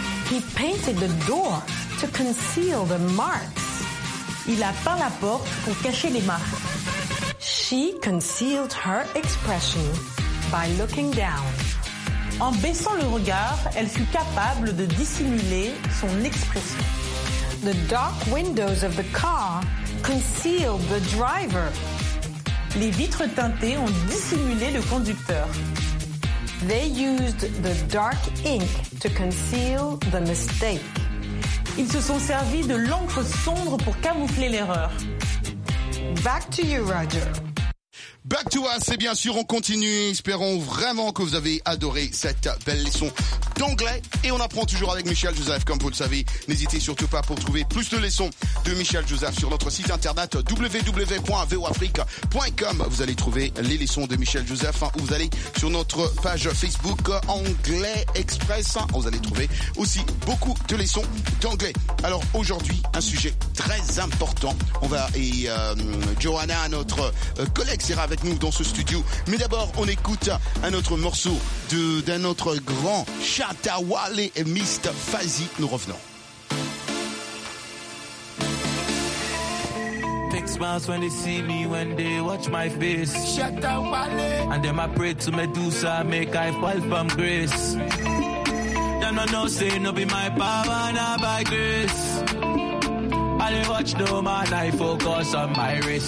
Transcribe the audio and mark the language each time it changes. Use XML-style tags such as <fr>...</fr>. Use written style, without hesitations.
<en>He painted the door to conceal the marks.</en> <fr>Il a peint la porte pour cacher les marques.</fr> <en>She concealed her expression by looking down.</en> <fr>En baissant le regard, elle fut capable de dissimuler son expression.</fr> <en>The dark windows of the car concealed the driver.</en> <fr>Les vitres teintées ont dissimulé le conducteur.</fr> <en>They used the dark ink to conceal the mistake.</en> <fr>Ils se sont servis de l'encre sombre pour camoufler l'erreur.</fr> <en>Back to you, Roger. Back to us,</en> <fr>et bien sûr, on continue. Espérons vraiment que vous avez adoré cette belle leçon d'anglais. Et on apprend toujours avec Michel Joseph, comme vous le savez. N'hésitez surtout pas pour trouver plus de leçons de Michel Joseph sur notre site internet www.voafrique.com. Vous allez trouver les leçons de Michel Joseph, hein, ou vous allez sur notre page Facebook Anglais Express. Hein, vous allez trouver aussi beaucoup de leçons d'anglais. Alors aujourd'hui, un sujet très important. On va, et Johanna, notre collègue, sera avec nous dans ce studio. Mais d'abord, on écoute un autre morceau d'un autre grand Chatawale et Mist Fazi. Nous revenons.</fr> <en>Big smiles when they see me, when they watch my face. Chatawale. And then I pray to Medusa, make I fall from grace. Then I know, say, no be my power, not by grace. I don't watch no man, I focus on my race.</en>